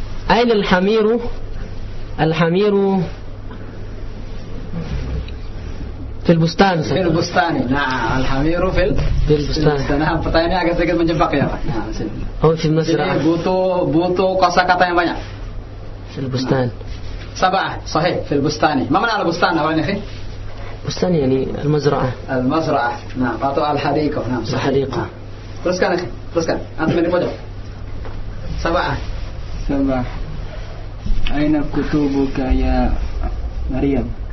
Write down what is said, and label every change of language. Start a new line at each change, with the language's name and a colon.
Arabic: أين الحمير الحمير في البستان في البستان نعم الحمير في البستان
Indonesian: نعم pertanyaan ini agak sedikit menjebak ya
Arabic: Pak نعم في المزرعة
Indonesian: jadi butuh kosakata yang banyak
Arabic: في البستان sabah sahih في البستان ما معنى البستان يا أخي بستان يعني المزرعة المزرعة نعم أو الحديقة نعم الحديقة
Indonesian: teruskan
Arabic: أخي teruskan أنت من المدن sabah أين كتبك يا مريم